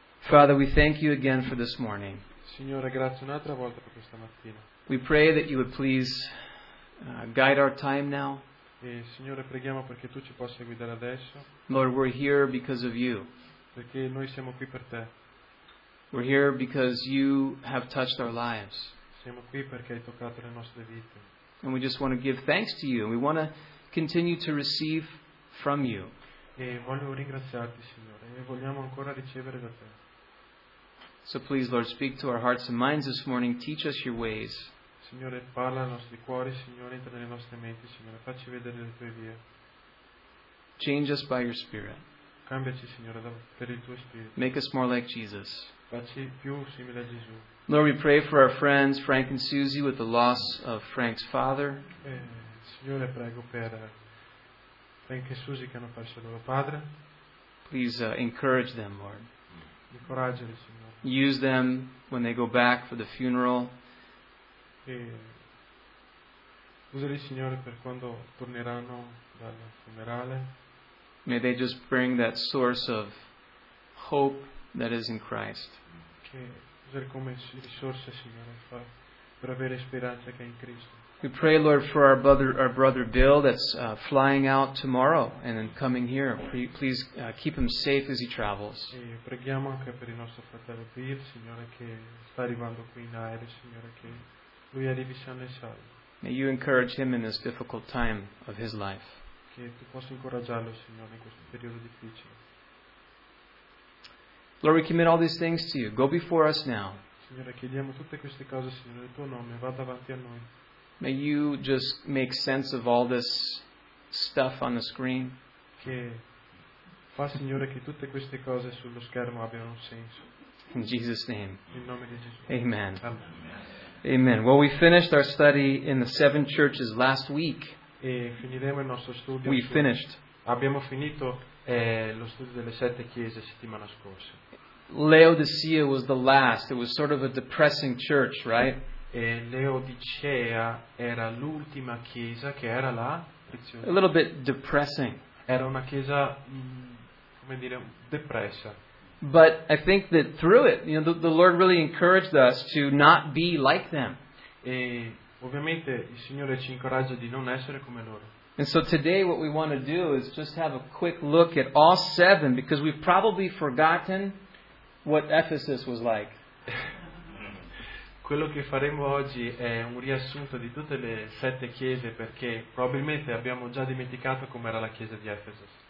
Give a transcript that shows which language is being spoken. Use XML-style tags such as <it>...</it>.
<en>Father, we thank you again for this morning.</en> <it>Signore, grazie un'altra volta per questa mattina.</it> <en>We pray that you would please guide our time now.</en> <it>E Signore, preghiamo perché tu ci possa guidare adesso.</it> <en>Lord, we're here because of you.</en> <it>Perché noi siamo qui per te.</it> <en>We're here because you have touched our lives.</en> <it>Siamo qui perché hai toccato le nostre vite.</it> <en>And we just want to give thanks to you. We want to continue to receive from you.</en> <it>E voglio ringraziarti, Signore, e vogliamo ancora ricevere da te.</it> <en>So please, Lord, speak to our hearts and minds this morning. Teach us your ways.</en> <it>Signore, parla ai nostri cuori, Signore, entra nelle nostre menti, Signore, facci vedere le tue vie.</it> <en>Change us by your Spirit.</en> <it>Cambiaci, Signore, per il tuo Spirito.</it> <en>Make us more like Jesus.</en> <it>Facci più simile a Gesù.</it> <en>Lord, we pray for our friends Frank and Susie with the loss of Frank's father.</en> <it>Signore, prego per Frank e Susie che hanno perso loro padre.</it> <en>Please encourage them, Lord.</en> <it>Incoraggiali, Signore.</it> <en>Use them when they go back for the funeral.</en> <it>Usali, Signore, per quando torneranno dal funerale.</it> <en>May they just bring that source of hope that is in Christ.</en> <it>Che usare come risorsa, Signore, per avere speranza che è in Cristo.</it> <en>We pray, Lord, for our brother Bill that's flying out tomorrow and then coming here. Please keep him safe as he travels.</en> <it>E preghiamo anche per il nostro fratello Bill, Signore, che sta arrivando qui in aereo, Signore, che lui arrivi sano e salvo.</it> <en>May you encourage him in this difficult time of his life.</en> <it>Che tu possa incoraggiarlo, Signore, in questo periodo difficile.</it> <en>Lord, we commit all these things to you. Go before us now.</en> <it>Signore, chiediamo tutte queste cose, Signore, nel tuo nome. Vada avanti a noi.</it> <en>May you just make sense of all this stuff on the screen.</en> <it>Che fa, Signore, che tutte queste cose sullo schermo abbiano un senso.</it> <en>In Jesus' name.</en> <it>In nome di Gesù.</it> <en>Amen. Amen. Amen. Well, we finished our study in the seven churches last week.</en> <it>E finiremo il nostro studio.</it> <en>We finished.</en> <it>Abbiamo finito lo studio delle sette chiese settimana scorsa.</it> <en>Laodicea was the last. It was sort of a depressing church, right?</en> <it>E Laodicea era l'ultima chiesa che era là.</it> <en>A little bit depressing.</en> <it>Era una chiesa, come dire, depressa.</it> <en>But I think that through it, you know, the Lord really encouraged us to not be like them.</en> <it>E ovviamente il Signore ci incoraggia di non essere come loro.</it> <en>And so today what we want to do is just have a quick look at all seven, because we've probably forgotten what Ephesus was like.</en> <it>Quello che faremo oggi è un riassunto di tutte le sette chiese, perché probabilmente abbiamo già dimenticato com'era la chiesa di Efeso.</it>